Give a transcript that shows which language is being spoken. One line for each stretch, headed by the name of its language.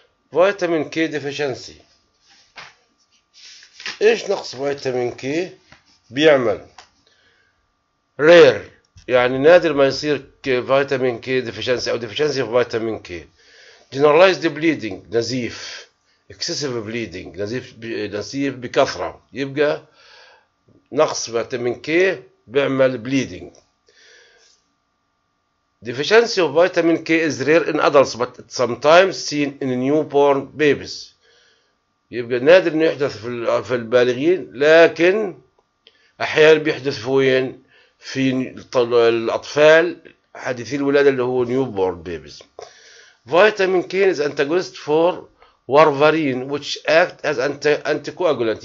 Arabic: فيتامين كي ديفيشنسي، ايش نقص فيتامين كي بيعمل؟ رير، يعني نادر ما يصير فيتامين كي ديفيشنسي او ديفيشنسي في فيتامين كي.
English: generalised bleeding,
Arabic: نزيف،
English: excessive bleeding,
Arabic: نزيف بكثره، يبقى نقص فيتامين كي بيعمل بليدنج.
English: Deficiency of vitamin K is rare in adults but it's sometimes seen in newborn babies.
Arabic: يبقى نادر انه يحدث في البالغين، لكن احيانا بيحدث في وين؟ في الاطفال حديثي الولاده اللي هو newborn babies.
English: Vitamin K is antagonist for warfarin which act as anticoagulant.